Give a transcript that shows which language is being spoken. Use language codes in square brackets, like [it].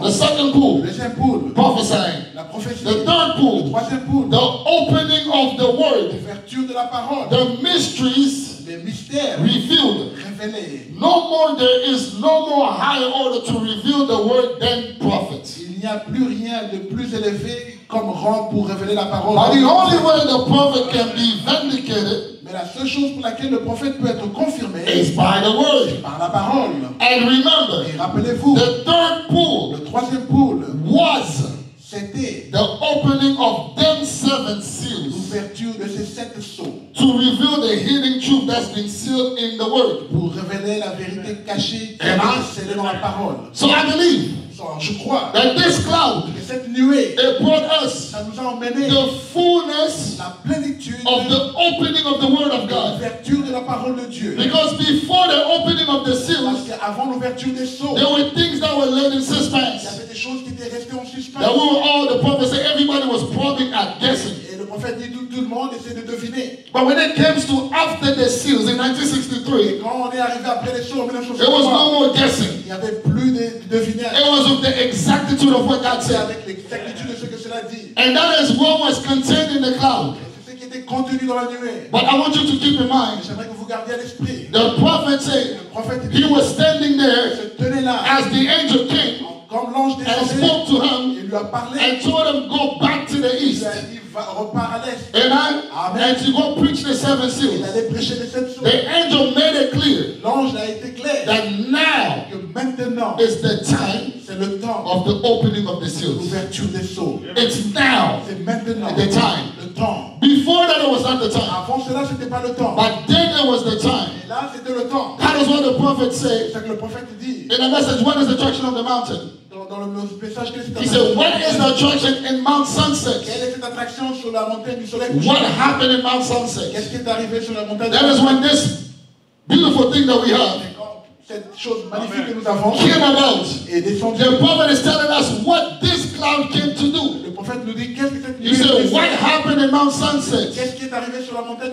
[en] the second pool, [fr] le deuxième pool, [en] prophesying, [fr] la prophétie, [en] the third pool, [fr] le troisième pool, [en] the opening of the word, [fr] l'ouverture de la parole, [en] the mysteries, [fr] les mystères, [en] revealed. No more, there is no more higher order to reveal the word than prophet. [fr] Il n'y a plus rien de plus élevé comme rang pour révéler la parole. [en] But the only way the prophet can be vindicated. [fr] Mais la seule chose pour laquelle le prophète peut être confirmé [en] is by the word. [fr] C'est par la parole. [en] And remember, [fr] et rappelez-vous, [en] the third pool, [fr] le troisième pool, [en] was, [fr] c'était [en] the opening of them seven seals. [fr] L'ouverture de ces sept sceaux. [en] To reveal the hidden truth that's been sealed in the word. [fr] Pour révéler la vérité cachée qui a été scellée dans la parole. [en] So I believe. [fr] Je crois [en] that this cloud, [fr] cette nuée, [en] it brought us, [fr] ça nous a emmené, [en] the fullness, [fr] la plénitude, [en] of the opening of the word of God, [fr] l'ouverture de la parole de Dieu. [en] Because before the opening of the seals, [fr] parce qu'avant l'ouverture des sceaux, [en] there were things that were laid in suspense. [fr] Il y avait des choses qui étaient restées en suspens. [en] That we were all, the prophet said, everybody was probing and guessing. [fr] Et le prophète dit tout le monde essaie de deviner. [en] But when it came to after the seals in 1963, [fr] quand on est arrivé après les sceaux en [en] 1963, there was no more guessing. [fr] Il y avait plus de deviner. [en] Of the exactitude of what God said. [fr] Avec l'exactitude de ce que cela dit. [en] And that is what was contained in the cloud. [fr] C'est ce qui était contenu dans la nuée. [en] But I want you to keep in mind. [fr] J'aimerais que vous gardiez à l'esprit. [en] The prophet said. [fr] Le prophète [en] dit, he was standing there. [fr] Se tenait là. [en] As the angel came. [fr] Comme l'ange descendait. [en] And spoke to him. [fr] Il lui a parlé. [en] And told him, go back to the east. [fr] Il a dit, va, repars à l'est. [en] Amen. Amen. And to go preach the seven seals. [fr] Il allait prêcher les sept sceaux. [en] The angel made it clear. [fr] L'ange a été clair. [en] That now. [fr] Que maintenant. [en] Is the time. [fr] C'est le temps [en] of the opening of the seals. [fr] L'ouverture des sceaux. [en] It's now. [fr] C'est maintenant. [en] The time. [fr] Le temps. [en] Before that, it was not the time. [fr] Avant cela, c'était pas le temps. [en] But then there was the time. [fr] Et là, c'était le temps. [en] That is what the prophet said. [fr] C'est ce que le prophète dit. [en] In a message, when is the attraction of the mountain? [fr] Dans le message, [en] he said, what is the attraction in Mount Sunset? [fr] Quelle est cette attraction sur la montagne du soleil? [en] What happened in Mount Sunset? [fr] Qu'est-ce qui est arrivé sur la montagne? [en] That is when this beautiful thing that we have. [fr] Cette chose magnifique que nous avons est descendue. [en] The prophet is telling us what this cloud came to do. [fr] Le prophète nous dit qu'est-ce que cette nuée. [en] He said, what happened in Mount Sunset? [fr] Qu'est-ce qui est arrivé sur la montagne?